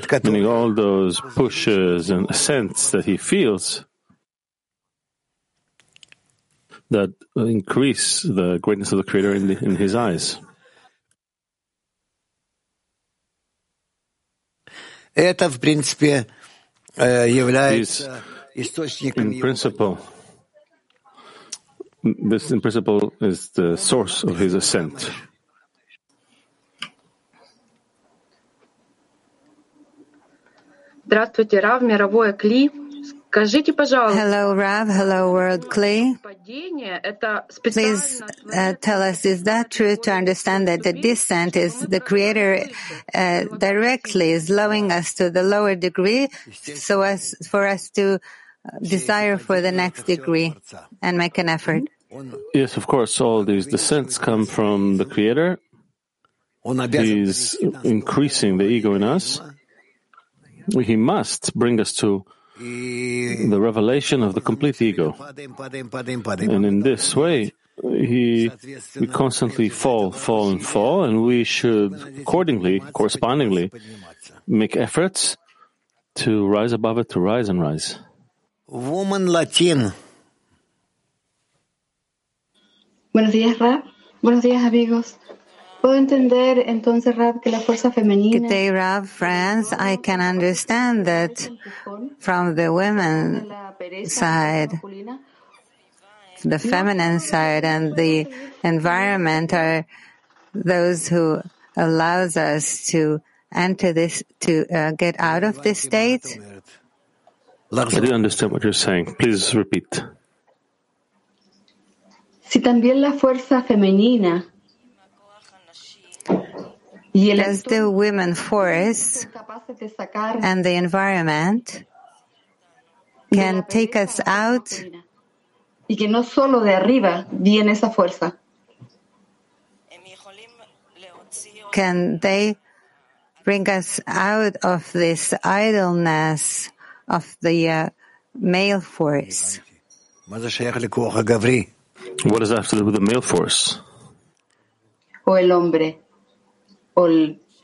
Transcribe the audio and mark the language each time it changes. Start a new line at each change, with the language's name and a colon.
English: Meaning all those pushes and ascents that he feels, that increase the greatness of the Creator in his eyes.
Russian: Это в принципе является источником.
English: In principle, is the source of his ascent.
Russian: Здравствуйте, Рав, мировое кли. Скажите, пожалуйста.
English: Hello, Rav. Hello, World Kli. Please tell us, is that true to understand that the descent is the Creator directly is lowering us to the lower degree so as for us to desire for the next degree and make an effort? Yes, of course. All these descents come from the Creator. He's increasing the ego in us. He must bring us to the revelation of the complete ego. And in this way, we constantly fall, and we should correspondingly make efforts to rise above it, to rise and rise. Woman Latin.
Spanish: Buenos días, Rav. Buenos días, amigos. ¿Puedo entender entonces, Rav, que la fuerza femenina...
English: Good day, Rav, friends. I can understand that from the women's side, the feminine side and the environment are those who allows us to enter this, to get out of this state. I do understand what you're saying. Please repeat.
Spanish: Si también la fuerza femenina...
English: Does the women force and the environment can take us out?
Spanish: Y que no solo de arriba viene esa fuerza.
English: Can they bring us out of this idleness of the male force? What does that have to do with the male force?
Spanish: O el hombre. O el...